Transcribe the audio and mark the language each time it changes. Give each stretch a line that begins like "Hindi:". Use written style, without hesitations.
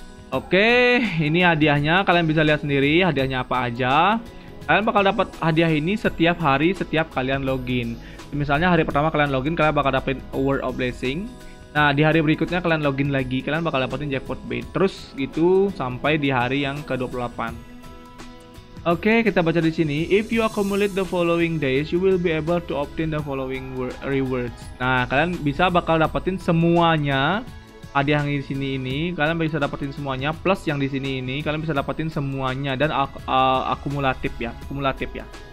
Indonesian: Oke, ini hadiahnya, kalian bisa lihat sendiri hadiahnya apa aja. Kalian bakal dapat hadiah ini setiap hari setiap kalian login. Misalnya hari pertama kalian login, kalian bakal dapetin Word of Blessing. Nah, di hari berikutnya kalian login lagi, kalian bakal dapetin jackpot bait. Terus gitu sampai di hari yang ke-28. Oke, kita baca di sini.
English: If you accumulate the following days, you will be able to obtain the following rewards.
Indonesian: Nah, kalian bisa bakal dapetin semuanya hadiah yang di sini ini. Kalian bisa dapetin semuanya plus yang di sini ini. Kalian bisa dapetin semuanya dan akumulatif, ya, kumulatif, ya.